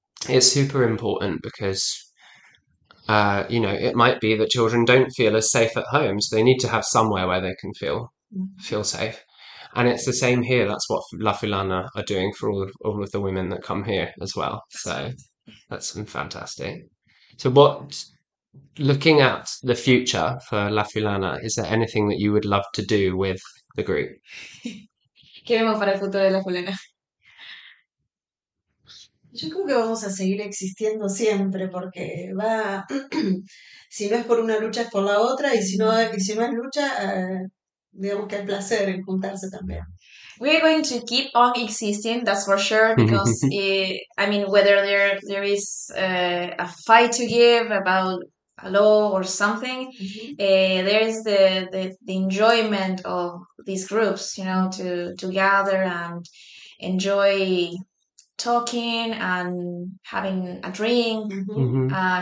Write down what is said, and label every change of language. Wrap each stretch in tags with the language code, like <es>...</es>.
<en>It's super important because, you know, it might be that children don't feel as safe at home, so they need to have somewhere where they can feel safe. And it's the same here. That's what La Fulana are doing for all of the women that come here as well. So that's fantastic. So what... Looking at the future for La Fulana, is there anything that you would love to do with the group?</en> <es>¿Qué vemos para el futuro de La Fulana? Yo creo que vamos a seguir existiendo siempre, porque va... si no es por una lucha, es por la otra, y si no es lucha, digamos que hay placer en juntarse también.</es> <en>We're going to keep on existing, that's for sure, because, I mean, whether there is a fight to give about hello or something. Mm-hmm. There's the enjoyment of these groups, you know, to gather and enjoy talking and having a drink, mm-hmm.</en>